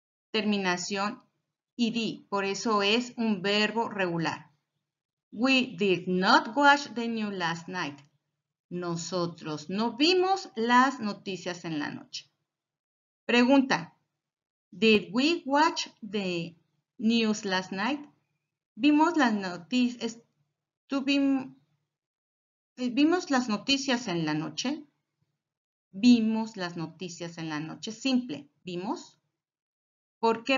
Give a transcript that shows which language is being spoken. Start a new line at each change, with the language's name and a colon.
Spanish: Terminación ed, por eso es un verbo regular.
English: We did not watch the news last night.
Spanish: Nosotros no vimos las noticias en la noche. Pregunta.
English: Did we watch the news last night?
Spanish: Vimos las noticias. Vimos las noticias en la noche. Vimos las noticias en la noche. Simple. Vimos. ¿Por qué?